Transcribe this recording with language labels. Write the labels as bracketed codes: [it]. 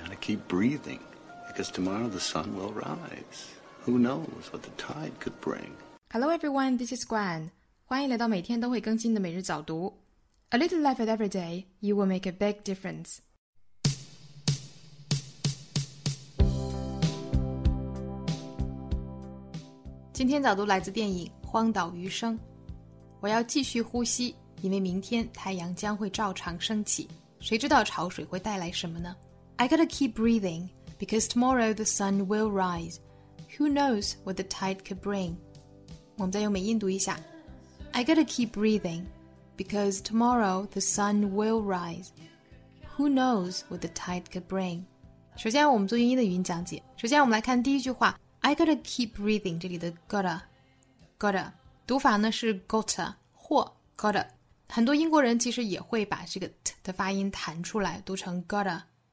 [en] keep breathing, because tomorrow the sun will rise. Who knows what the tide could bring? Hello everyone, this is Gwen. [zh] 欢迎来到每天都会更新的每日早读。 [en] A little life every day, you will make a big difference. [zh] 今天早读来自电影《荒岛余生》。我要继续呼吸，因为明天太阳将会照常升起。谁知道潮水会带来什么呢？ [en] I gotta keep breathing, because tomorrow the sun will rise. Who knows what the tide could bring? [zh] 我们再用美音读一下。 [en] I gotta keep breathing, because tomorrow the sun will rise. Who knows what the tide could bring? [zh] 首先我们做英音的语音讲解。首先我们来看第一句话。 [en] I gotta keep breathing, [zh] 这里的 gotta, 读法呢是 gotta, 或 gotta。很多英国人其实也会把这个 t 的发音弹出来，读成 gotta。